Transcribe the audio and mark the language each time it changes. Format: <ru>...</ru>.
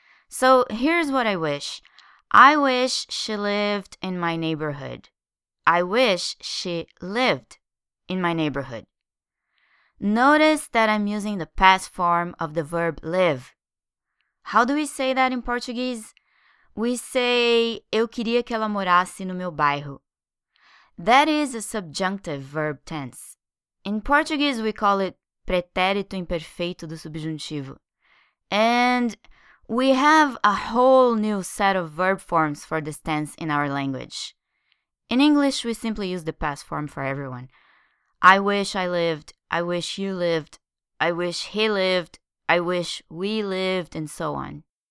<en>So here's what I wish. I wish she lived in my neighborhood. I wish she lived in my neighborhood. Notice that I'm using the past form of the verb live. How do we say that in Portuguese? We say,</en> <pt>eu queria que ela morasse no meu bairro.</pt> <en>That is a subjunctive verb tense. In Portuguese, we call it pretérito imperfeito do subjuntivo. And we have a whole new set of verb forms for this tense in our language. In English, we simply use the past form for everyone. I wish I lived, I wish you lived, I wish he lived, I wish we lived, and so on.</en>